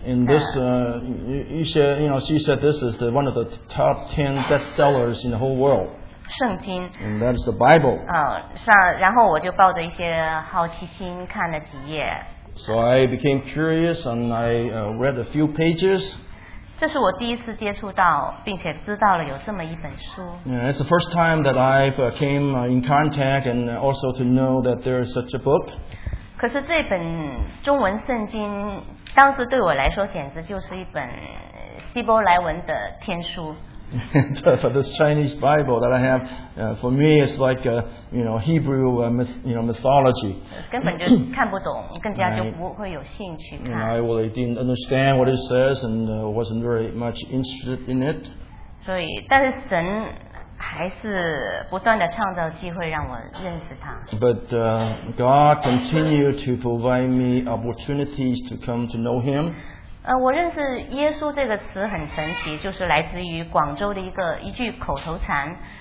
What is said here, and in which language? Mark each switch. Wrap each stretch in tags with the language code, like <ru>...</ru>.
<en>In this, she said this is one of the top 10 bestsellers in the whole world.</en> <zh>圣经</zh> <en>and that's the Bible.</en> <zh>然后我就抱着一些好奇心看了几页。</zh> <en>So I became curious and I read a few pages.</en> <zh>这是我第一次接触到并且知道了有这么一本书。</zh> <en>Yeah, it's the first time that I came in contact and also to know that there is such a book.</en> <zh>可是这本中文圣经当时对我来说简直就是一本希伯来文的天书。</zh> <en>For this Chinese Bible that I have, for me it's like Hebrew mythology.</en> <zh>根本就看不懂，更加就不会有兴趣看。</zh> <en>And I really didn't understand what it says, and wasn't very much interested in it.</en> <zh>所以，但是神还是不断的创造机会让我认识他。</zh> <en>But God continued to provide me opportunities to come to know Him.</en> <zh>我认识耶稣这个词很神奇，就是来自于广州的一句口头禅。</zh>